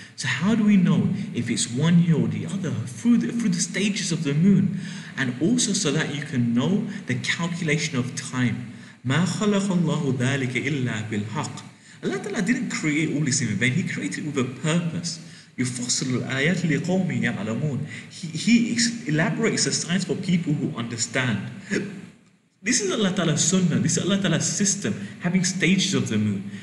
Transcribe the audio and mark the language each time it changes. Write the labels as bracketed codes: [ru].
[en] So how do we know if it's one year or the other? Through the stages of the moon. And also so that you can know the calculation of time. [ar] مَا خَلَقَ اللَّهُ ذَلِكَ إِلَّا بِالْحَقِّ, [en] Allah Ta'ala didn't create all this in vain. He created it with a purpose. [ar] يفصل الآيات لقوم يعلمون. [en] He elaborates the science for people who understand. This is Allah Ta'ala's sunnah, this is Allah Ta'ala's system, having stages of the moon.